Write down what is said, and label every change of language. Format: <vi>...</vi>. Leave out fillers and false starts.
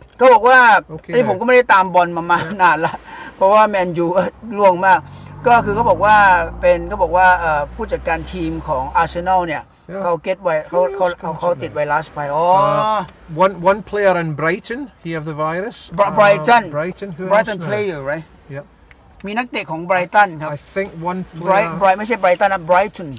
<th>ก็บอกว่าไอ้ผมก็ไม่ได้ตามบอลมานานแล้วเพราะว่าแมนยูล่วงมากก็คือเขาบอกว่าเป็นเขาบอกว่าผู้จัดการทีมของ Arsenal เนี่ยเขาเก็ตไวเขาติดไวรัสไปอ๋อ</th> <en>one player in Brighton he have the virus. Brighton who Brighton player right?</en> <th>มีนักเตะของ Brighton ครับ</th> <en>I think one player</en> <th>Bright ไม่ใช่ Brighton นะ Brighton</th>